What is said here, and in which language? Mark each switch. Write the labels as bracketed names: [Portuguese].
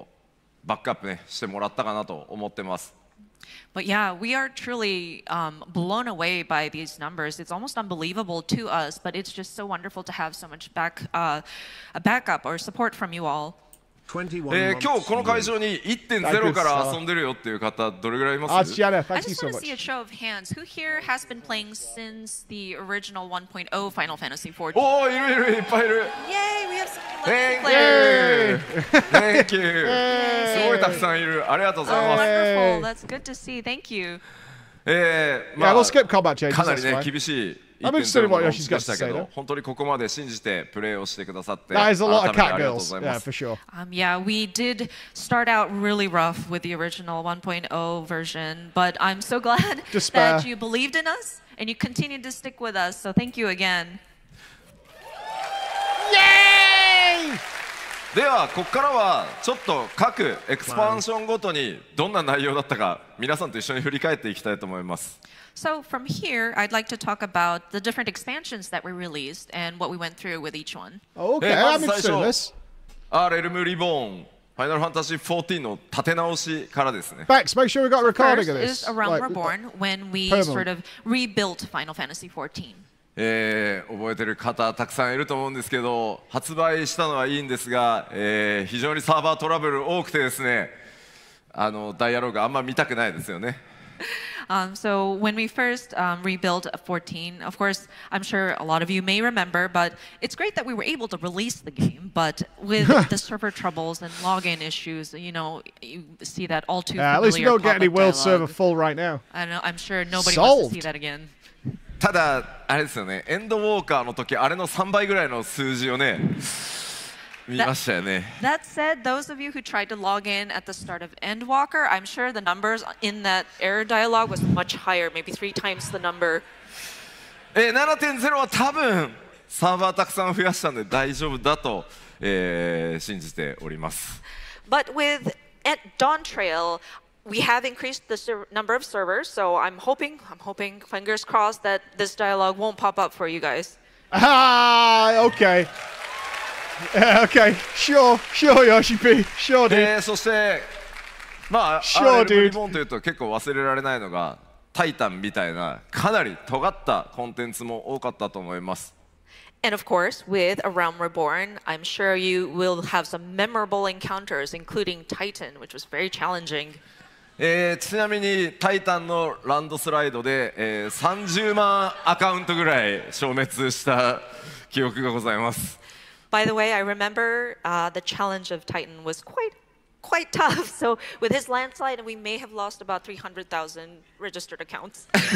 [Japanese] ちょっと正直信じられない数字まで皆さんのおかげでこうバックアップねしてもらったかなと思ってます。 [English] But yeah, we are truly blown away by these numbers. It's almost unbelievable to us, but it's just so wonderful to have so much backup or support from you all. [Japanese] 今日この会場に 1.0 から遊んでるよっていう方どれぐらいいます? [English] I just want to see a show of hands. Who here has been playing since the original 1.0 Final Fantasy 14? [Japanese] おー、いるいるいっぱいいる! [English] Yay! We have some lucky players! Thank you! [Japanese] すごいたくさんいる。ありがとうございます。 [English] Wonderful. That's good to see. Thank you. Yeah, we'll skip combat changes. [Japanese] かなりね、厳しい。 [English] I'm interested in what Yoshi's got to say. That is a lot of catgirls. Yeah, we did start out really rough with the original 1.0 version, but I'm so glad that you believed in us and you continued to stick with us. So thank you again. Yay! [Japanese] ではここからはちょっと各エクスパンションごとにどんな内容だったか皆さんと一緒に振り返っていきたいと思います。 [English] So from here, I'd like to talk about the different expansions that we released and what we went through with each one. Okay, I'm interested in this. [Japanese] Realm Reborn, Final Fantasy XIV の立て直しからですね。 [English] Bex, make sure we got a recording of this. First is a Realm Reborn when we sort of rebuilt Final Fantasy XIV. [Japanese] 覚えてる方たくさんいると思うんですけど発売したのはいいんですが、非常にサーバートラブル多くてですねあのダイアログあんま見たくないですよね、 [English] So when we first rebuilt 14, of course I'm sure a lot of you may remember, but it's great that we were able to release the game, but with the server troubles and login issues, you know, you see that all too familiar. At least you don't get any world server full right now. I know, I'm sure nobody wants to see that again. [Japanese] ただあれですよね。エンドウォーカーの時あれの3倍ぐらいの数字をね見ましたよね。 [English] That said, those of you who tried to log in at the start of Endwalker, I'm sure the numbers in that error dialogue was much higher, maybe three times the number. [Japanese] 7.0 は多分サーバーたくさん増やしたんで大丈夫だと、信じております。 [English] But with Dawntrail. We have increased the number of servers, so I'm hoping, fingers crossed, that this dialogue won't pop up for you guys. Okay. Yeah, okay, sure, Yoshi P, sure, dude. And so, [Japanese] RL Reborn というと結構忘れられないのが、タイタンみたいなかなり尖ったコンテンツも多かったと思います。 [English] And of course, with A Realm Reborn, I'm sure you will have some memorable encounters, including Titan, which was very challenging. [Japanese] ちなみにタイタンのランドスライドで、30万アカウントぐらい消滅した記憶がございます。 [English] By the way, I remember, the challenge of Titan was quite tough. So with his landslide, we may have lost about 300,000 registered accounts.